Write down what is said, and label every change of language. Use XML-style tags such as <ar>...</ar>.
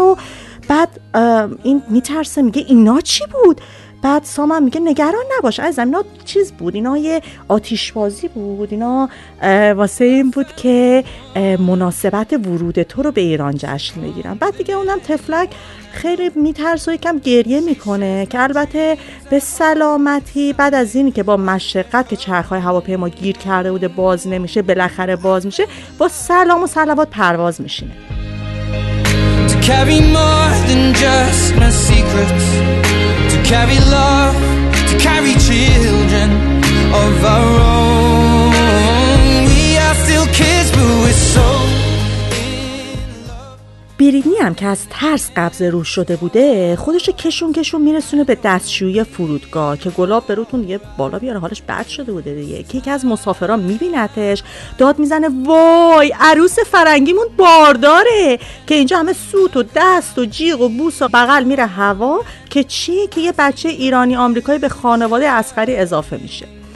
<fa>و بعد این میترسه میگه اینا چی بود؟ بعد سام هم میگه نگران نباش عزیزم، اینا چیز بود، اینا یه آتیشبازی بود، اینا واسه این بود که مناسبت ورود تو رو به ایران جشن بگیرن. بعد دیگه اونم تفلک خیلی میترسه و یکم گریه میکنه، که البته به سلامتی بعد از این که با مشقت که چرخهای هواپیما گیر کرده بوده باز نمیشه، بالاخره باز میشه، با سلام و صلوات پرواز میشینه.</fa> <en>To carry more than just my secrets, to carry love, to carry children of our own. We are still kids but we're so.</en> <fa>بریدنی هم که از ترس قبض روح شده بوده، خودش کشون میرسونه به دستشویی فرودگاه که گلاب بروتون دیگه بالا بیاره، حالش بد شده بوده دیگه، که یکی از مسافرها میبینتش، داد میزنه وای عروس فرنگیمون بارداره، که اینجا همه سوت و دست و جیغ و بوس و بغل میره هوا که چی؟ که یه بچه ایرانی آمریکایی به خانواده عسکری اضافه میشه.</fa>